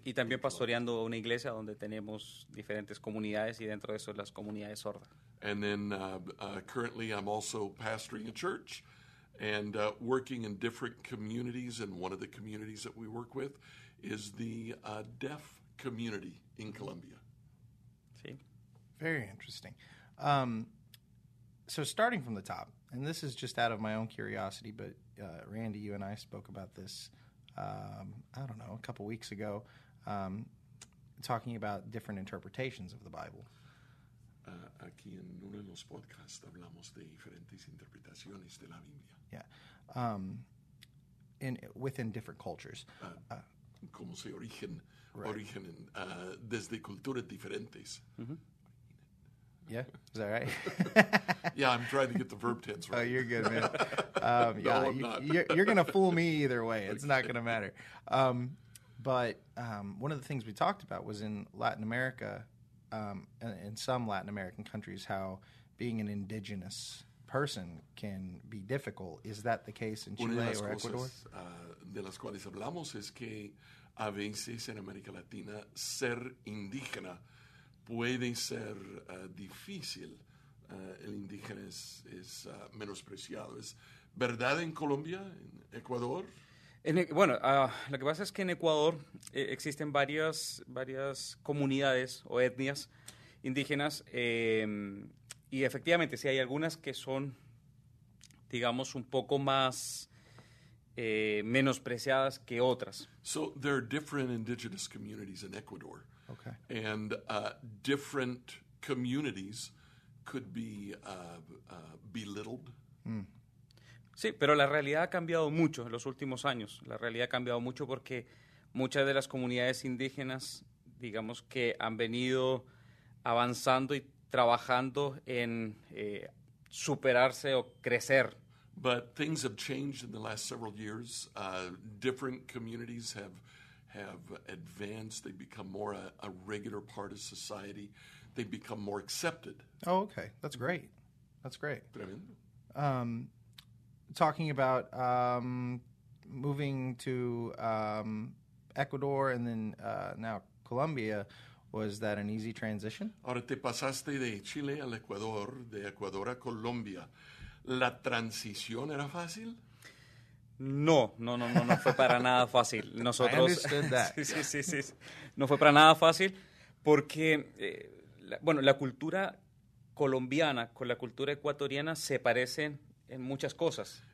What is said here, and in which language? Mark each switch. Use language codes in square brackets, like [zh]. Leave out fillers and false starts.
[es] Y también pastoreando una iglesia donde tenemos diferentes comunidades y dentro de eso las comunidades sordas. [en] And then currently I'm also pastoring a church and working in different communities. And one of the communities that we work with is the deaf community in Colombia. [es] Sí. [en] Very interesting. So starting from the top, and this is just out of my own curiosity, but Randy, you and I spoke about this, I don't know, a couple weeks ago, talking about different interpretations of the Bible. [es] Aquí en uno de los podcasts hablamos de diferentes interpretaciones de la Biblia. [en] Yeah. Within different cultures. [es] Como se origen, [en] right. [es] Origen en, desde culturas diferentes. [en] Mm-hmm. Yeah, is that right? Yeah, I'm trying to get the verb tense right. Oh, you're good, man. No, you're going to fool me either way. It's okay. Not going to matter. But one of the things we talked about was in Latin America, in some Latin American countries, how being an indigenous person can be difficult. Is that the case in Chile or Ecuador? [es] De las cuales hablamos es que a veces en América Latina ser indígena puede ser difícil. El indígena es menospreciado. ¿Es verdad en Colombia, en Ecuador? Lo que pasa es que en Ecuador existen varias comunidades o etnias indígenas. Y efectivamente, sí hay algunas que son, digamos, un poco más menospreciadas que otras. [en] So there are different indigenous communities in Ecuador. Okay. And different communities could be belittled. Mm. [es] Sí, pero la realidad ha cambiado mucho en los últimos años. La realidad ha cambiado mucho porque muchas de las comunidades indígenas, digamos que han venido avanzando y trabajando en superarse o crecer. [en] But things have changed in the last several years. Different communities have advanced, they become more a regular part of society, they become more accepted. Oh, okay. That's great. That's great. [es] Tremendo. [en] Talking about moving to Ecuador and then now Colombia, was that an easy transition? [es] Ahora te pasaste de Chile al Ecuador, de Ecuador a Colombia. ¿La transición era fácil? No, fue para nada fácil. Nosotros, [en] I understood that. [es] Sí. No fue para nada fácil porque, la cultura colombiana con la cultura ecuatoriana se parecen en muchas cosas.